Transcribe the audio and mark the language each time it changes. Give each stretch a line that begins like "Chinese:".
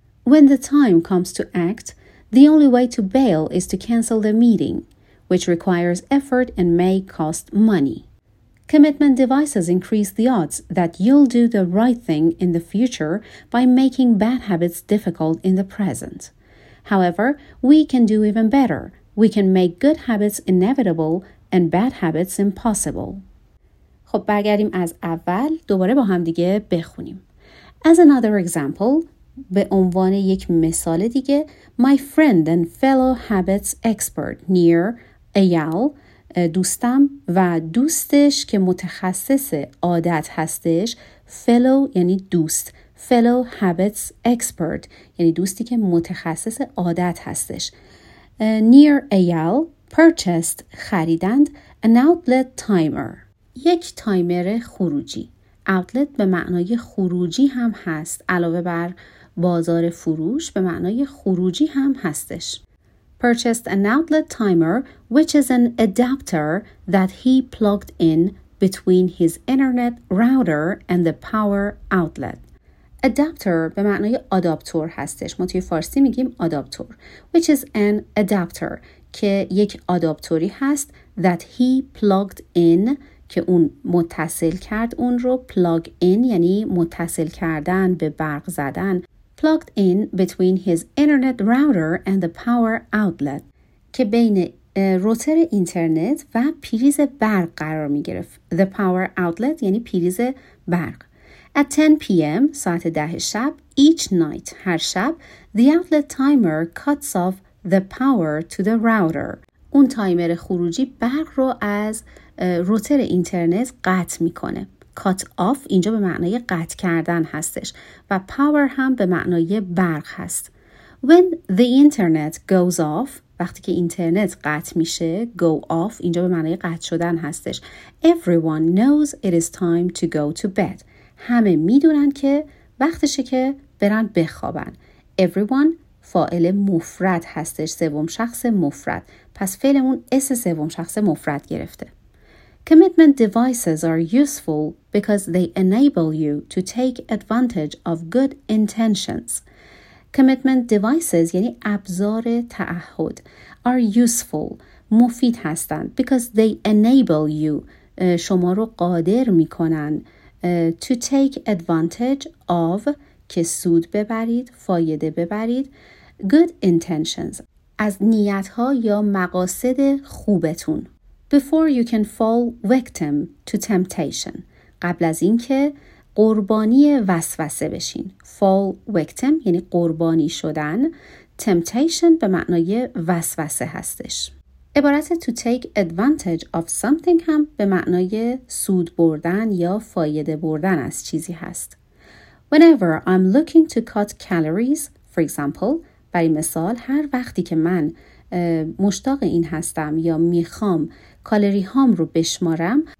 English: When the time comes to act, the only way to bail is to cancel the meeting, which requires effort and may cost money. Commitment devices increase the odds that you'll do the right thing in the future by making bad habits difficult in the present. However, we can do even better. We can make good habits inevitable and bad habits impossible.
Persian: خب برگردیم از اول دوباره با هم دیگه بخونیم.
English: As another example,
Persian: به عنوان یک مثال دیگه,
English: my friend and fellow habits expert Nir Eyal,
Persian: دوستم و دوستش که متخصص عادت هستش, fellow یعنی دوست,
English: fellow habits expert
Persian: یعنی دوستی که متخصص عادت هستش,
English: Nir Eyal purchased,
Persian: خریدند,
English: an outlet timer,
Persian: یک تایمر خروجی. outlet به معنای خروجی هم هست, علاوه بر بازار فروش به معنای خروجی هم هستش.
English: Purchased an outlet timer, which is an adapter that he plugged in between his internet router and the power outlet.
Persian: Adapter به معنای آداپتور هستش. ما توی فارسی میگیم آداپتور.
English: Which is an adapter
Persian: که یک آداپتوری هست,
English: that he plugged in
Persian: که اون متصل کرد اون رو, plug in یعنی متصل کردن, به برق زدن,
English: plugged in between his internet router and the power outlet,
Persian: که بین روتر اینترنت و پریز برق قرار می گرفت.
English: The power outlet
Persian: یعنی پریز برق.
English: At 10 p.m.
Persian: ساعت 10 شب,
English: each night,
Persian: هر شب,
English: the outlet timer cuts off the power to the router.
Persian: اون تایمر خروجی برق رو از روتر اینترنت قطع می کنه. Cut off اینجا به معنای قطع کردن هستش و power هم به معنای برق هست.
English: When the internet goes off,
Persian: وقتی که اینترنت قطع میشه, go off اینجا به معنای قطع شدن هستش.
English: Everyone knows it is time to go to bed.
Persian: همه میدونن که وقتشه که برن بخوابن. Everyone فاعل مفرد هستش, سوم شخص مفرد. پس فعلمون اس سوم شخص مفرد گرفته.
English: Commitment devices are useful because they enable you to take advantage of good intentions. Commitment devices,
Persian: یعنی ابزار تعهد,
English: are useful,
Persian: مفید هستند,
English: because they enable you,
Persian: شما رو قادر می کنن,
English: to take advantage of,
Persian: که سود ببرید, فایده ببرید,
English: good intentions,
Persian: از نیت ها یا مقاصد خوبتون.
English: Before you can fall victim to temptation,
Persian: قبل از این که قربانی وسوسه بشین. Fall victim یعنی قربانی شدن. Temptation به معنای وسوسه هستش. عبارت
English: to take advantage of something
Persian: هم به معنای سود بردن یا فایده بردن از چیزی هست.
English: Whenever I'm looking to cut calories, for example,
Persian: برای مثال, هر وقتی که من مشتاق این هستم یا میخوام کالری هام رو بشمارم,